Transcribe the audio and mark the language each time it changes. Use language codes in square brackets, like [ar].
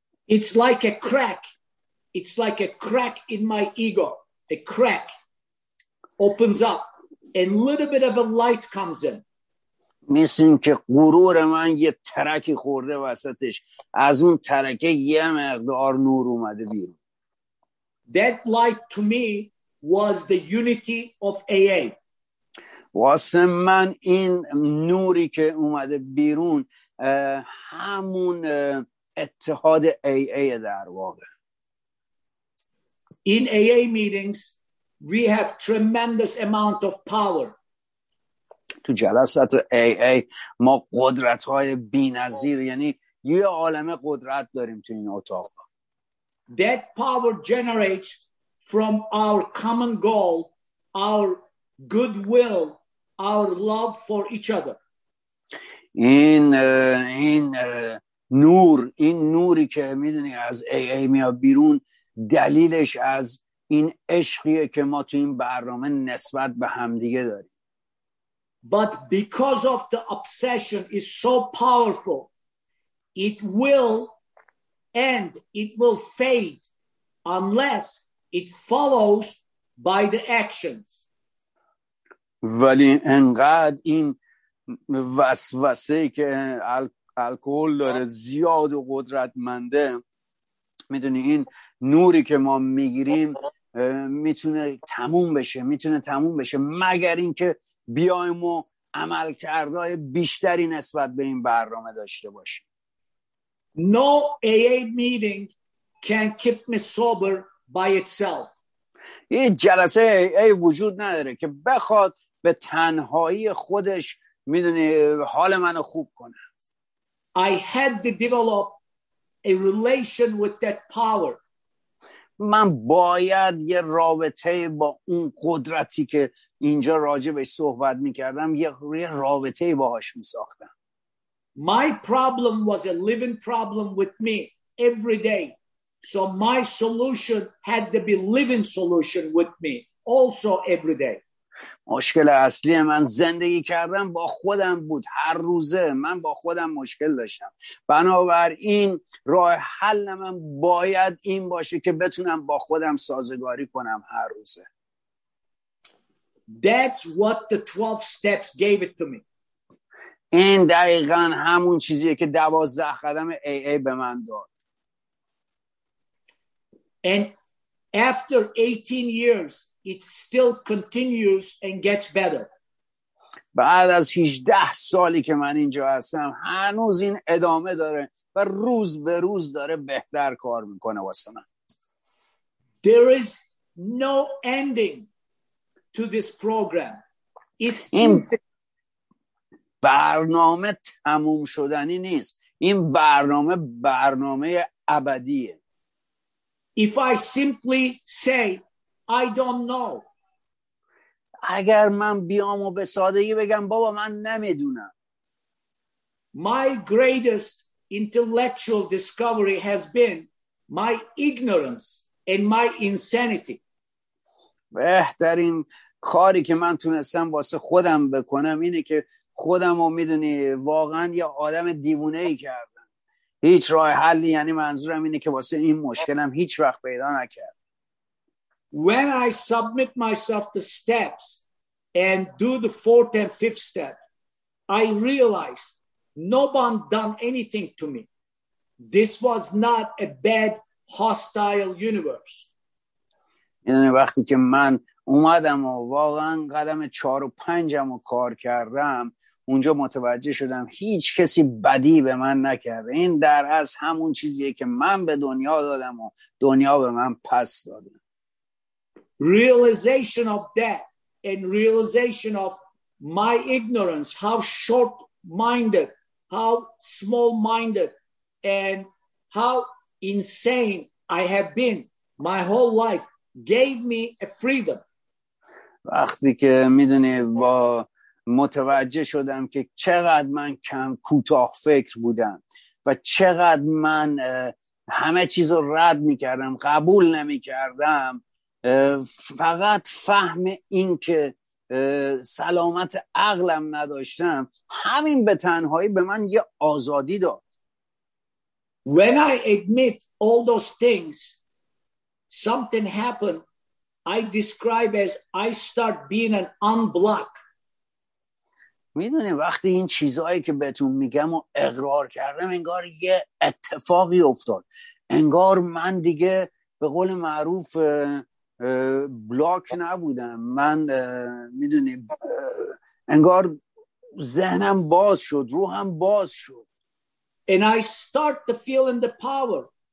[en] It's like a crack. It's like a crack in my ego. A crack opens up and a little bit of a light comes in. [fa] مثل این که غرور من یه ترکی خورده وسطش، از اون ترکه یه مقدار نور اومده بیرون. [en] That light to me was the unity of AA. [fa] واسه من این نوری که اومده بیرون همون اتحاد AA در واقع. [en] In AA meetings we have tremendous amount of power. [fa] تو جلسات AA ما قدرت‌های بی‌نظیر، یعنی یه عالمه قدرت داریم تو این اتاق. [en] That power generates from our common goal, our goodwill, our love for each other. [fa] این نوری که می‌دونی از AA میاد بیرون، دلیلش از این عشقیه که ما تو این برنامه نسبت به همدیگه داریم. [en] But because of the obsession is so powerful, it will end, it will fade unless it follows by the actions. [fa] ولی انقدر این وسوسه که الکل داره زیاد و قدرتمنده، میدونی این نوری که ما میگیریم میتونه تموم بشه، میتونه تموم بشه مگر اینکه بیایم و عملکردهای بیشتری نسبت به این برنامه داشته باشیم. [en] No AA meeting can keep me sober by itself. [fa] این جلسه AA وجود نداره که بخواد به تنهایی خودش میدونی حال منو خوب کنه. [en] I had to develop a relation with that power. [fa] من باید یه رابطه با اون قدرتی که اینجا راجع بهش صحبت میکردم، یه رابطه باهاش میساختم. [en] My problem was a living problem with me every day. So my solution had to be living solution with me also every day. [fa] مشکل اصلی من زندگی کردن با خودم بود، هر روزه من با خودم مشکل داشتم، بنابراین راه حل من باید این باشه که بتونم با خودم سازگاری کنم هر روزه. [en] That's what the 12 steps gave it to me. [fa] این دقیقاً همون چیزیه که 12 قدم AA به من داد. [en] And after 18 years it still continues and gets better. [fa] بعد از 18 سالی که من اینجا هستم هنوز این ادامه داره و روز به روز داره بهتر کار میکنه واسه من. [en] There is no ending to this program. It's [fa] این برنامه تموم شدنی نیست. این برنامه ابدیه. [en] If I simply say I don't know. [fa] اگر من بیام و به سادگی بگم بابا من نمیدونم. [en] My greatest intellectual discovery has been my ignorance and my insanity. [fa] بهترین کاری که من تونستم واسه خودم بکنم اینه که خودم رو میدونی واقعا یه آدم دیوونه ای کردم. هیچ راه حلی، یعنی منظورم اینه که واسه این مشکلم هیچ وقت پیدا نکرد. [en] When I submit myself the steps and do the fourth and fifth step, I realize no one done anything to me. This was not a bad hostile universe. [fa] یعنی وقتی که من اومدم و واقعا قدم 4 و 5 امو کار کردم، اونجا متوجه شدم هیچ کسی بدی به من نکرده. این در از همون چیزیه که من به دنیا دادم و دنیا به من پس داده. [en] Realization of that and realization of my ignorance, how short-minded, how small-minded and how insane I have been my whole life gave me a freedom. [fa] وقتی که میدونی با متوجه شدم که چقدر من کم کوتاه فکر بودم و چقدر من همه چیز رو رد میکردم، قبول نمیکردم، فقط فهم این که سلامت عقلم نداشتم، همین به تنهایی به من یه آزادی داد. [en] When I admit all those things, something happened I describe as I start being an unblock. [fa] میدونی وقتی این چیزهایی که بهتون میگم و اقرار کردم، انگار یه اتفاقی افتاد، انگار من دیگه به قول معروف بلاک نبودم، من میدونی انگار ذهنم باز شد، روحم باز شد. [en] And I start to feel in the power.